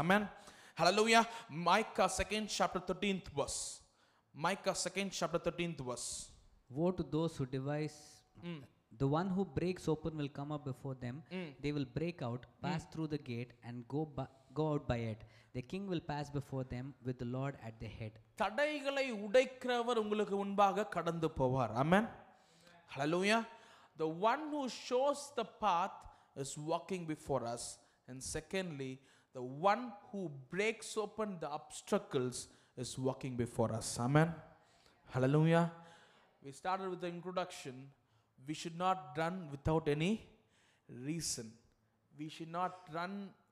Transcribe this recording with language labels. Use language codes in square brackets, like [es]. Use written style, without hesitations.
[en] Amen. Hallelujah. Micah 2nd chapter 13th verse. Micah 2nd chapter 13th verse. Woe to those who devise, the one who breaks open will come up before them. They will break out, pass through the gate and go out by it. The king will pass before them with the Lord at the head. [ta] தடைகளை உடைக்கிறவர் உங்களுக்கு முன்பாக கடந்து போவார். [en] Amen. Hallelujah. The one who shows the path is walking before us. And secondly, the one who breaks open the obstacles is walking before us. Amen. Hallelujah. We started with the introduction. We should not run without any reason. We should not run